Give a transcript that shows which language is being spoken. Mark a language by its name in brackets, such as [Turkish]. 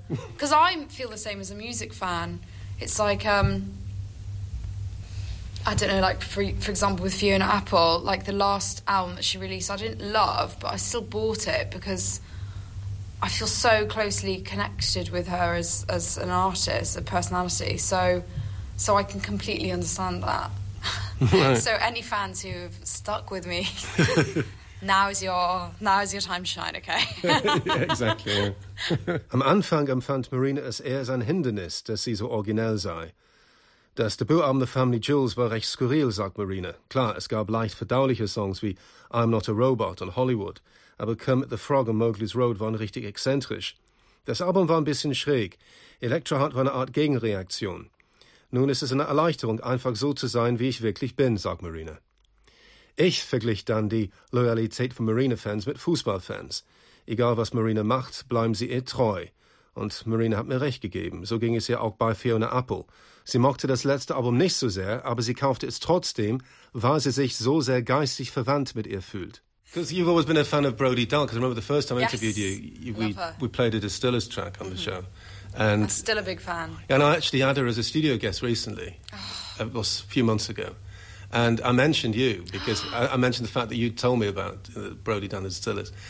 [English] Because I feel the same as a music fan. It's like, I don't know, like, for example, with Fiona Apple, like, the last album that she released, I didn't love, but I still bought it because I feel so closely connected with her as an artist, a personality. So I can completely understand that. Right. So any fans who have stuck with me, now is your time to shine, okay? Yeah, exactly. [German] Am Anfang empfand Marina es eher als ein Hindernis, dass sie so originell sei. Das Debütalbum The Family Jewels war recht skurril, sagt Marina. Klar, es gab leicht verdauliche Songs wie I'm Not a Robot und Hollywood, aber Kermit the Frog und Mowgli's Road waren richtig exzentrisch. Das Album war ein bisschen schräg. Elektra hat eine Art Gegenreaktion. Nun ist es eine Erleichterung, einfach so zu sein, wie ich wirklich bin, sagt Marina. Ich verglich dann die Loyalität von Marina-Fans mit Fußballfans. Egal, was Marina macht, bleiben sie ihr treu. Und Marina hat mir recht gegeben. So ging es ihr auch bei Fiona Apple. Sie mochte das letzte Album nicht so sehr, aber sie kaufte es trotzdem, weil sie sich so sehr geistig verwandt mit ihr fühlt. [English] Because you've always been a fan of Brody Dalle, because I remember the first time yes. I interviewed you, we played a Distillers track on the show. And I'm still a big fan. And I actually had her as a studio guest recently, it was a few months ago. And I mentioned you, because I mentioned the fact that you told me about Brody Dalle and Distillers.